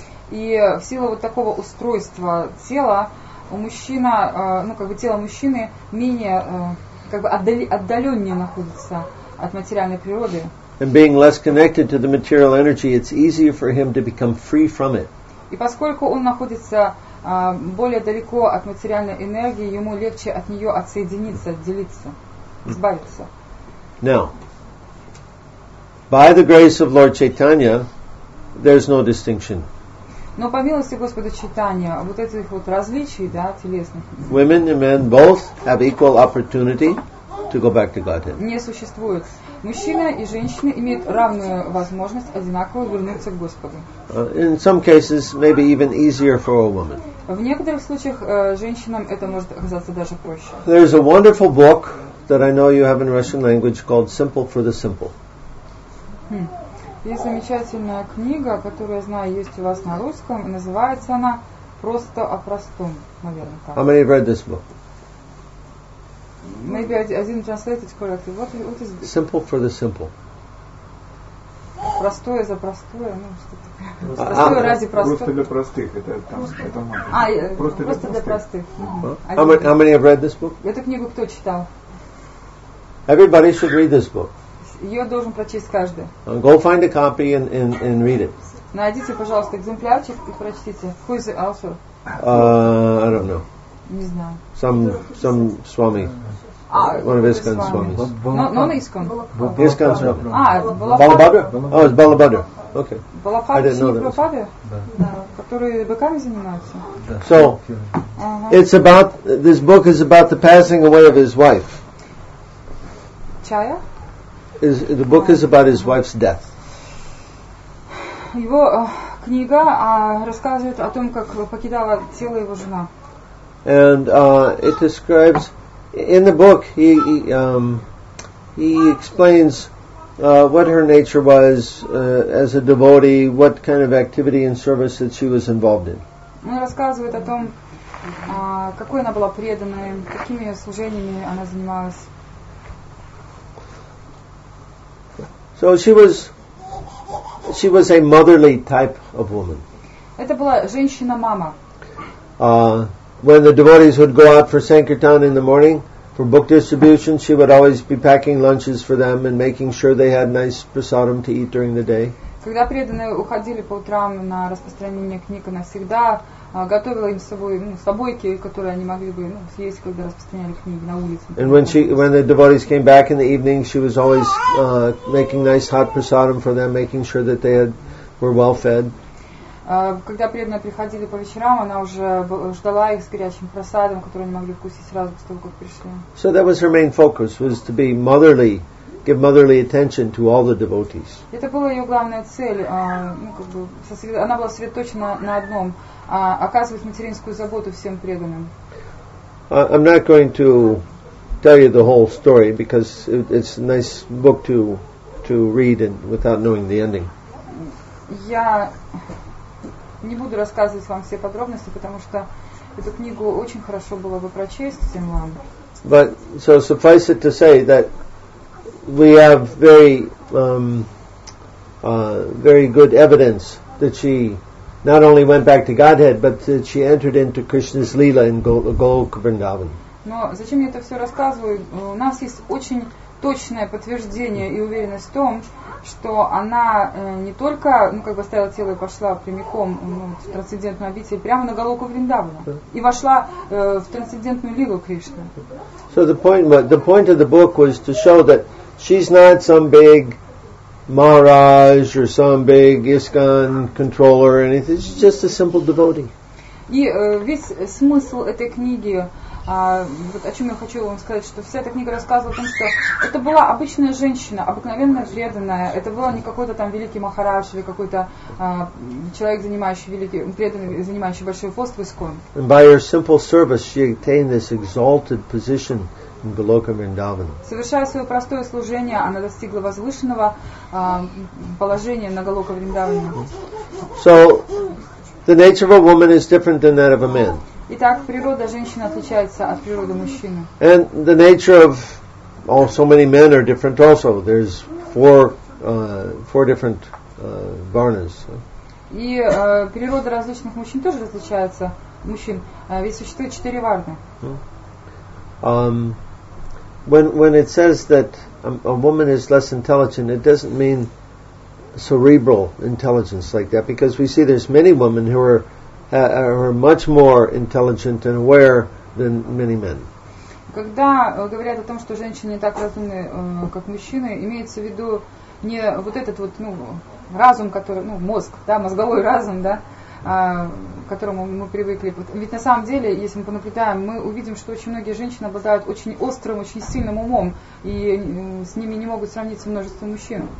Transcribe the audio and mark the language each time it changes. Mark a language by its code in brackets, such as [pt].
[ru] И в силу вот такого устройства тела у мужчина, тело мужчины менее отдаленнее находится от материальной природы. [en] And being less connected to the material energy, it's easier for him to become free from it. [ru] И поскольку он находится более далеко от материальной энергии, ему легче от нее отсоединиться, отделиться, избавиться. [en] Now, by the grace of Lord Chaitanya, there's no distinction. [ru] Но по милости Господа Чайтанья, вот этих вот различий, да, телесных. [en] Women and men both have equal opportunity to go back to Godhead. [ru] Не существует. Мужчина и женщина имеют равную возможность одинаково вернуться к Господу. [en] In some cases, maybe even easier for a woman. [ru] В некоторых случаях женщинам это может оказаться даже проще. [en] There is a wonderful book that I know you have in Russian language called Simple for the Simple. [ru] Есть замечательная книга, которую я знаю, есть у вас на русском, и называется она «Просто о простом», наверное, так. [en] How many have read this book? Maybe I didn't translate it correctly. What is this? Simple for the simple. [ru] Простое за простое, что-то простое ради простого. Просто для простых. Это просто для простых. [en] How many have read this book? [ru] Эту книгу кто читал? [en] Everybody should read this book. [ru] Ее должен прочесть каждый. [en] Go find a copy and read it. [ru] Найдите, пожалуйста, экземплярчик и прочтите. [en] Who is the author? I don't know. [ru] Не знаю. [en] Some Swami. One of Iskan Swamis. Non-Iskan. Iskan Swami. Balabhadra? Oh, it's Balabhadra. Okay. Balabhadra is Prabhupada? Yeah. [ru] Который быками занимается. [en] So, it's about, this book is about the passing away of his wife. Chaya? The book is about his wife's death. [ru] Его книга рассказывает о том, как покидала тело его жена. [en] And it describes in the book he explains what her nature was as a devotee, what kind of activity and service that she was involved in. [ru] Он рассказывает о том, какой она была преданной, какими служениями она занималась. [en] So she was a motherly type of woman. [ru] Это была женщина-мама. [en] When the devotees would go out for Sankirtan in the morning for book distribution, she would always be packing lunches for them and making sure they had nice prasadam to eat during the day. [ru] Когда преданные уходили по утрам на распространение книг, она всегда готовила им с собой собойки, которые они могли бы съесть, когда распространяли книги на улице. [en] And when the devotees came back in the evening, she was always making nice hot prasadam for them, making sure that they were well fed. [ru] Когда преданные приходили по вечерам, она уже ждала их с горячим просадом, который они могли вкусить сразу после того, как пришли. [en] So that was her main focus, was to be motherly, give motherly attention to all the devotees. [ru] Это была ее главная цель. Она была сосредоточена на одном, оказывать материнскую заботу всем преданным. [en] I'm not going to tell you the whole story because it's a nice book to read and without knowing the ending. [ru] Я не буду рассказывать вам все подробности, потому что эту книгу очень хорошо было бы прочесть всем вам. [en] But so suffice it to say that we have very very good evidence that she not only went back to Godhead, but that she entered into Krishna's Leela in Goloka Vrindavan. [ru] Но зачем я это все рассказываю? У нас есть очень точное подтверждение и уверенность в том, что она не только оставила тело и пошла прямиком в трансцендентную обитель, прямо на Голоку Вриндавана, и вошла в трансцендентную лилу Кришны. [en] So the point of the book was to show that she's not some big Maharaj or some big ISKCON controller or anything. She's just a simple devotee. [ru] И весь смысл этой книги вот о чем я хочу вам сказать, что вся эта книга рассказывает о том, что это была обычная женщина, обыкновенная, преданная. Это был не какой-то там великий махарадж или какой-то человек, занимающий великий, преданный, занимающий большой пост в Искон. [en] And by her simple service, she attained this exalted position in Goloka Vrindavan. [ru] Совершая свое простое служение, она достигла возвышенного положения на Голока Вриндаване. [en] So, the nature of a woman is different than that of a man. [ru] Итак, природа женщины отличается от природы мужчины. [en] And the nature of all so many men are different also. There's four different varnas. [ru] И природа различных мужчин тоже различается. Мужчин, ведь существует четыре варны. [en] When it says that a woman is less intelligent, it doesn't mean cerebral intelligence like that, because we see there's many women who are much more intelligent and aware than many men. [ru] Когда говорят о том, что женщины не так разумны, как мужчины, имеется в виду не вот этот вот, ну, разум, который, ну, мозг, да, мозговой разум, да, к которому мы привыкли. Ведь на самом деле, если мы понаблюдаем, мы увидим, что очень многие женщины обладают очень острым, очень сильным умом, и с ними не могут сравниться множество мужчин.